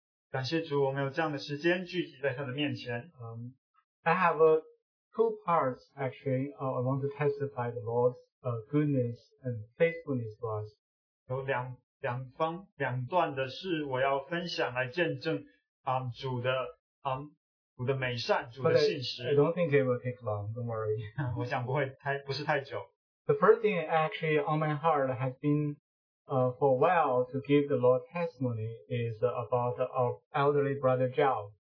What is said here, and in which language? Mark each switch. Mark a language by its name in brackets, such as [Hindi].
[Chinese] 感谢主, 我们有这样的时间聚集在他的面前。 [English] I have two parts actually. I want to testify the Lord's goodness and faithfulness to us. [Chinese] 有两段的事我要分享来见证 主的美善，主的信实。 [English] I don't think it will take long. Don't worry. [Chinese] 我想不会太久。 [English] The first thing actually on my heart has been for a while to give the Lord testimony is about our elderly brother Zhao.